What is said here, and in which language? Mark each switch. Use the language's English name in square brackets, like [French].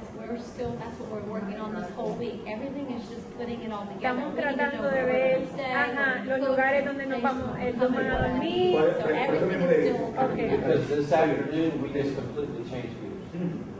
[English] That's what we're working on this whole week. Everything is just putting it all together. [Spanish] Estamos tratando de ver los lugares donde nos vamos, el donde van a dormir. [English] Everything is still okay. Because this afternoon we just completely changed gears.